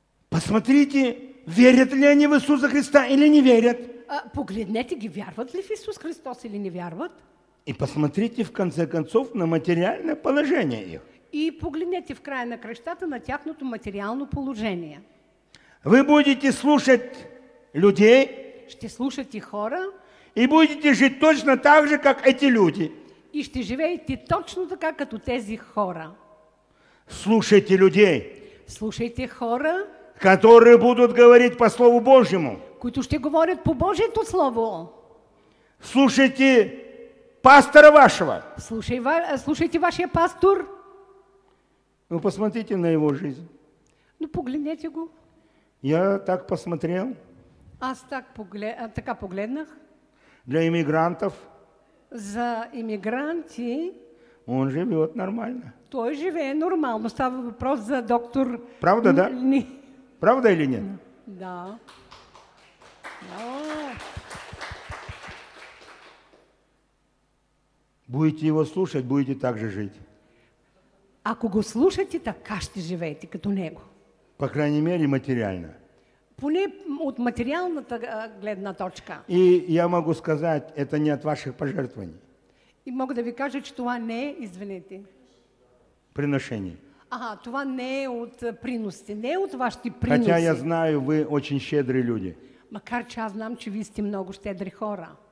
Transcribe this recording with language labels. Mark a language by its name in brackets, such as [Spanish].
[Russian] Посмотрите, верят ли они в Иисуса Христа или не верят. [Bulgarian] Погледнете ги, вярват ли в Иисус Христос или не вярват. [Russian] И посмотрите, в конце концов, на материальное положение их. [Bulgarian] И погледнете в края на кръщата на тяхното материално положение. [Russian] Вы будете слушать людей. [Bulgarian] Ще слушате хора. [Russian] И будете жить точно так же, как эти люди. [Bulgarian] И ще живеете точно така, като тези хора. [Russian] Слушайте людей. [Bulgarian] Слушайте хора. [Russian] Которые будут говорить по Слову Божьему. [Bulgarian] Които ще говорят по Божието Слово. [Russian] Слушайте пастора вашего. [Bulgarian] Слушайте вашия пастор. [Russian] Ну, посмотрите на его жизнь. [Bulgarian] Ну, погледнете го. [Russian] Я так посмотрел. [Bulgarian] Аз так погледнах. [Russian] Для иммигрантов. [Bulgarian] За иммигранти. [Russian] Он живет нормально. [Bulgarian] Той живее нормално. Става въпрос за доктор. [Russian] Правда, да? Правда или нет? [Bulgarian] Да. [Russian] Будете его слушать, будете так же жить. [Bulgarian] Ако го слушате, така ще живеете като него. [Russian] По крайней мере, материально. [Bulgarian] Поне от материалната гледна точка. [Russian] И я могу сказать, это не от ваших пожертвований. [Bulgarian] И мога да ви кажа, че това не е, извинете. [Russian] Приношение. [Bulgarian] Това не е от приноси, не е от вашите приноси. [Russian] Хотя я знаю, вы очень щедрые люди. [Bulgarian] Макар че аз знам, че ви сте много щедри хора.